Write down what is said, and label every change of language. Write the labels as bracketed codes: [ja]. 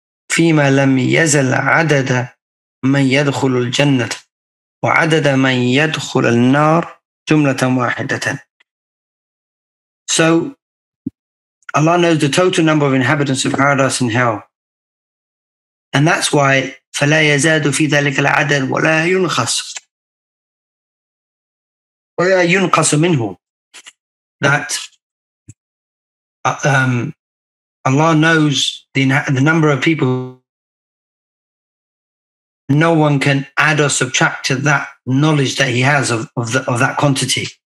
[ar] فِيمَا لَمْ يَزَلْ عَدَدَ مَنْ يَدْخُلُ الْجَنَّةَ وَعَدَدَ مَنْ يَدْخُلَ النَّارَ جُمْلَةً وَاحِدَةً. [en] So Allah knows the total number of inhabitants of paradise and hell. And that's why [ar] فَلَا يَزَادُ فِي ذَلِكَ الْعَدَدُ وَلَا يُنْخَصُ وَلَا يُنْخَصُ مِنْهُ. [en] That Allah knows the number of people. No one can add or subtract to that knowledge that he has of that quantity.